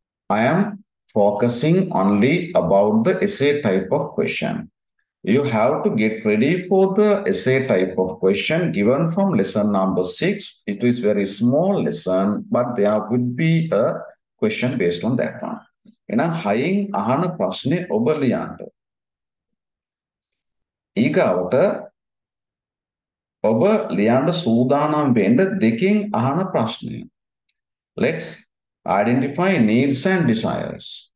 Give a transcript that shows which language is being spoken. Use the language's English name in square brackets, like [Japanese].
[English] I am focusing only about the essay type of question. You have to get ready for the essay type of question given from lesson number 6. It is very small lesson, but there would be a question based on that one. [Sinhala] එන හයින් අහන ප්‍රශ්නේ ඔබ ලියන්න. ඊගවට ඔබ ලියන්න සූදානම් වෙන්න දෙකෙන් අහන ප්‍රශ්නය. [English] Let's Identify needs and desires.